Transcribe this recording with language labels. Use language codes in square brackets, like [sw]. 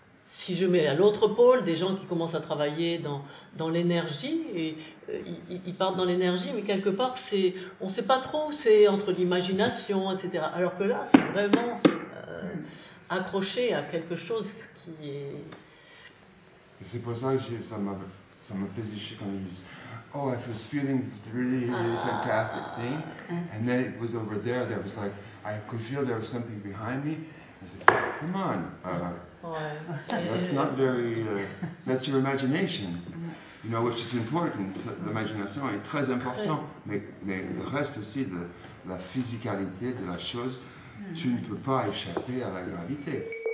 [fr] Si je mets à l'autre pôle des gens qui commencent à travailler dans l'énergie, et ils partent dans l'énergie, mais quelque part, c'est, on ne sait pas trop, c'est entre l'imagination, etc. Alors que là, c'est vraiment accroché à quelque chose qui est... C'est pour ça que ça m'a fait zicher quand je dis... [en] Oh, I was feeling this really, really fantastic thing, and then it was over there. There was like I could feel there was something behind me. I said, "Come on, that's not very. That's your imagination, you know, which is important. [fr] L'imagination est très important, mais le reste aussi de la physicalité de la chose, tu ne peux pas échapper à la gravité."